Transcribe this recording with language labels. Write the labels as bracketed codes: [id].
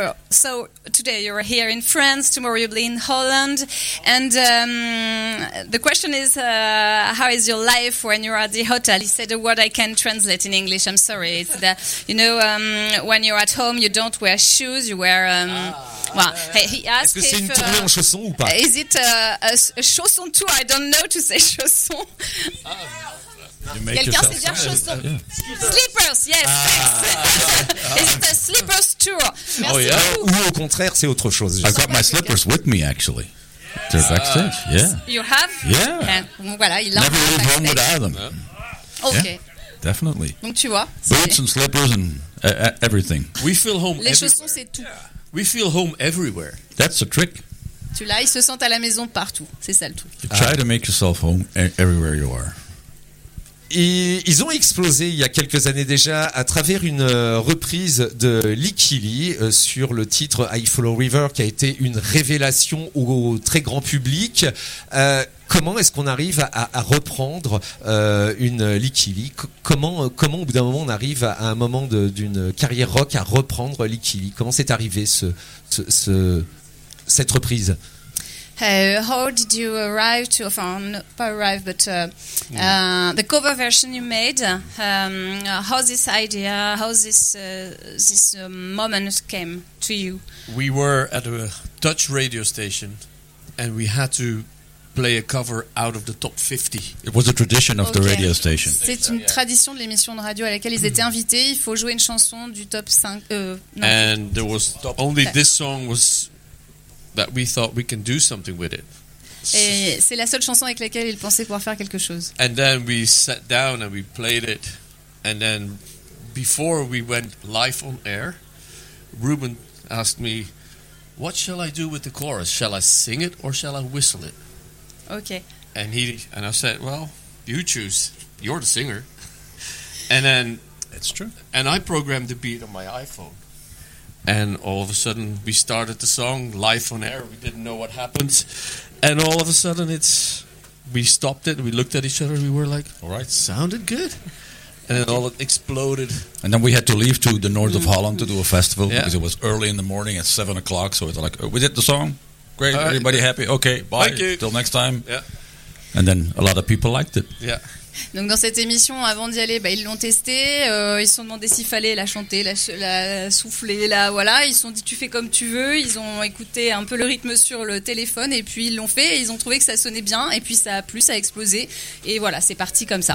[en] So today you're here in France, tomorrow you'll be in Holland, and the question is, how is your life when you're at the hotel? He said a word I can translate in English, I'm sorry. It's the, you know, when you're at home, you don't wear shoes, you wear... [fr] Est-ce que c'est une tournée en chaussons ou pas? [en] Is it a chausson tour? I don't know to say chausson. [fr] Quelqu'un sait dire chausson? [en] Slippers, yes, thanks. Is it a slippers tour? [fr] Merci Ou au contraire, c'est autre chose. [en] I've got my slippers with me, actually. They're backstage, yeah. You have? Yeah. [fr] Okay. Voilà, il [en] Never leave home without them. Yeah. Okay. Yeah, definitely. [fr] Donc tu vois. [en] Boots and slippers and everything. We feel home [fr] Les [en] everywhere. [fr] Les chaussons, c'est tout. Yeah. [en] We feel home everywhere. That's a trick. [fr] Tu l'as, ils se sentent à la maison partout. C'est ça le truc. [en] You try to make yourself home everywhere you are. [fr] Et ils ont explosé il y a quelques années déjà à travers une reprise de Licky Lee sur le titre I Follow River, qui a été une révélation au très grand public. Comment est-ce qu'on arrive à reprendre une Licky Lee? Comment au bout d'un moment on arrive à un moment d'une carrière rock à reprendre Licky Lee? Comment c'est arrivé cette reprise? [en] How did you arrive to, the cover version you made, how's this idea, how's this moment came to you? We were at a Dutch radio station and we had to play a cover out of the top 50. It was a tradition of the radio station. [fr] C'est une tradition de l'émission de radio à laquelle ils étaient invités, il faut jouer une chanson du top 5. [en] And there was only this song was... That we thought we can do something with it. [fr] Et c'est la seule chanson avec laquelle ils pensaient pouvoir faire quelque chose. [en] And then we sat down and we played it, and then before we went live on air, Ruben asked me, "What shall I do with the chorus? Shall I sing it or shall I whistle it?" Okay. And he and I said, "Well, you choose. You're the singer." And then it's true. And I programmed the beat on my iPhone. And all of a sudden, we started the song live on air. We didn't know what happened. And all of a sudden, we stopped it. We looked at each other. We were like, all right, sounded good. And then all it exploded. And then we had to leave to the north of Holland to do a festival because it was early in the morning at 7 o'clock. So it's like, oh, we did the song. Great. Everybody happy? Okay. Bye. Thank you. Till next time. Yeah. And then a lot of people liked it. Yeah. [fr] Donc dans cette émission, avant d'y aller, bah, ils l'ont testé, ils se sont demandé s'il fallait la chanter, la souffler, voilà. Ils se sont dit tu fais comme tu veux, ils ont écouté un peu le rythme sur le téléphone et puis ils l'ont fait et ils ont trouvé que ça sonnait bien et puis ça a plu, ça a explosé et voilà, c'est parti comme ça.